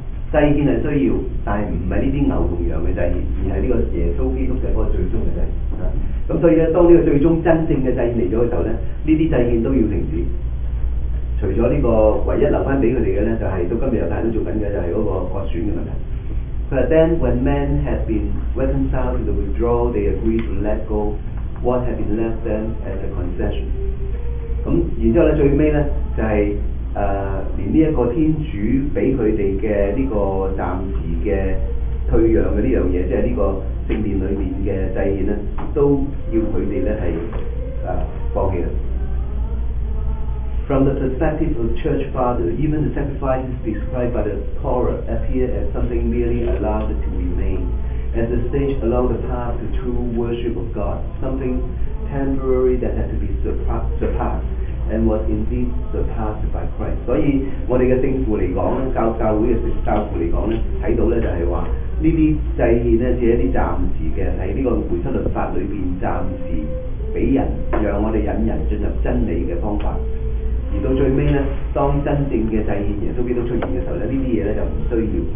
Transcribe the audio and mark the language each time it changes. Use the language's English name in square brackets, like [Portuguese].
[Chinese] 祭獻是需要，但是不是这些牛同羊的祭獻，而是这个耶稣基督的那个最终的祭獻。所以呢，当这个最终真正的祭獻来了的时候呢，这些祭獻都要停止。除了这个唯一留给他们的呢，就是到今天有太多做的，就是那个割损的问题。 [English] But then when men had been reconciled to the withdrawal, they agreed to let go what had been left them as a concession. [Chinese] 然后呢，最后呢，就是連這個天主給他們的這個暫時的退讓的這件事，就是這個聖殿裡面的祭獻呢，都要他們是放棄了。 [English] From the perspective of church fathers, even the sacrifices described by the Torah appear as something merely allowed to remain as a stage along the path to true worship of God, something temporary that had to be surpassedand was indeed surpassed by Christ. [Chinese] 所以我們的聖父來說，教會的教父來說，看到就是說，這些祭獻只是一些暫時的，在這個梅瑟律法裡面暫時給人，讓我們引人進入真理的方法。而到最後呢，當真正的祭獻耶穌基督出現的時候，這些東西就不需要。